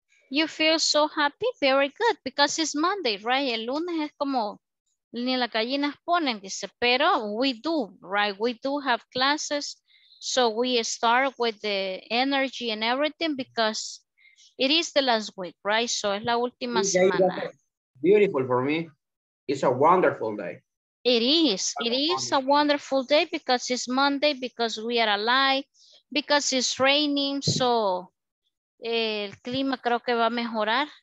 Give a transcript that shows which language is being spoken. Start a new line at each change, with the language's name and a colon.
English: You feel so happy, very good, because it's Monday, right?
Spanish: El lunes es como ni las gallinas ponen, dice, pero
English: we do, right? We do have classes, so we start with the energy and everything because it is the last week, right?
Spanish: So es la última semana.
English: Beautiful for me. It's a wonderful day. It is a wonderful day because it's Monday, because we are alive, because it's raining, so
Spanish: el clima creo que va a mejorar.